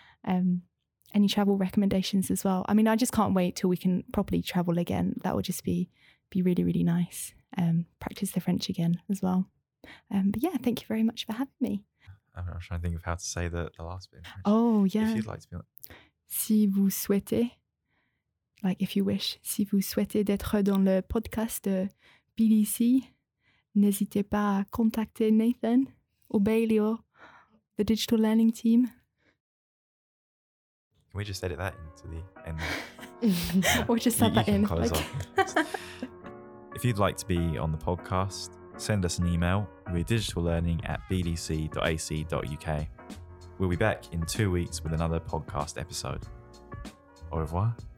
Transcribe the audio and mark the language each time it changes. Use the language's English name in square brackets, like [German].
[English] Any travel recommendations as well? I mean, I just can't wait till we can properly travel again. That would just be really, really nice. Practice the French again as well. But yeah, thank you very much for having me. I'm trying to think of how to say the last bit. Oh, yeah. If you'd like to be like, [French] si vous souhaitez, [English] like if you wish, [French] si vous souhaitez d'être dans le podcast de BDC, n'hésitez pas à contacter Nathan ou Bailey [English] or the digital learning team. Can we just edit that into the end? Or just have that in. Like... If you'd like to be on the podcast, send us an email. We're digitallearning@bdc.ac.uk. We'll be back in 2 weeks with another podcast episode. [French] Au revoir.